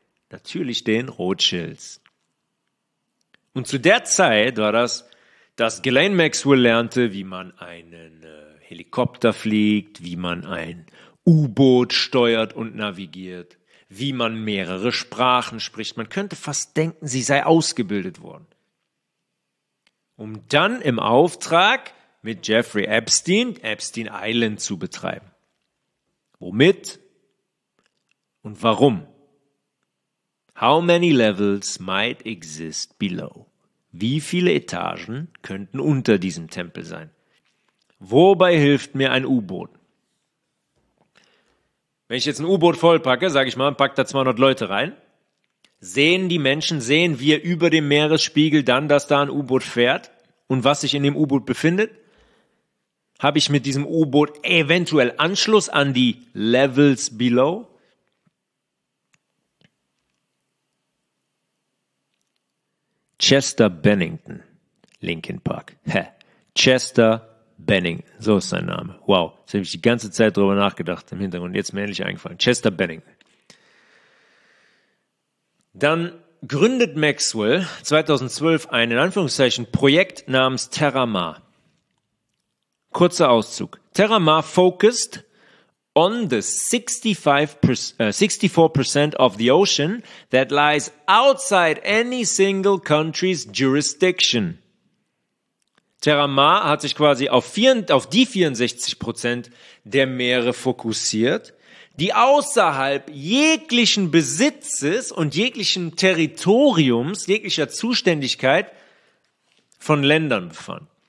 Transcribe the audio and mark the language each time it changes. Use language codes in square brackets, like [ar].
[de] Natürlich den Rothschilds. Und zu der Zeit war das, dass Ghislaine Maxwell lernte, wie man einen Helikopter fliegt, wie man ein U-Boot steuert und navigiert, wie man mehrere Sprachen spricht. Man könnte fast denken, sie sei ausgebildet worden. Um dann im Auftrag mit Jeffrey Epstein, Epstein Island zu betreiben. Womit und warum? [en] How many levels might exist below? [de] Wie viele Etagen könnten unter diesem Tempel sein? Wobei hilft mir ein U-Boot? Wenn ich jetzt ein U-Boot vollpacke, sage ich mal, pack da 200 Leute rein, sehen wir über dem Meeresspiegel dann, dass da ein U-Boot fährt und was sich in dem U-Boot befindet? Habe ich mit diesem U-Boot eventuell Anschluss an die [en] Levels below? [de] Chester Bennington, Linkin Park. Chester Bennington, so ist sein Name. Wow, jetzt habe ich die ganze Zeit drüber nachgedacht im Hintergrund, jetzt mir endlich eingefallen. Chester Bennington. Dann gründet Maxwell 2012 ein, in Anführungszeichen, Projekt namens Terramar. Kurzer Auszug. [en] Terramar focused on the 64% of the ocean that lies outside any single country's jurisdiction. [de] Terra Mar hat sich quasi auf die 64% der Meere fokussiert, die außerhalb jeglichen Besitzes und jeglichen Territoriums, jeglicher Zuständigkeit von Ländern befanden.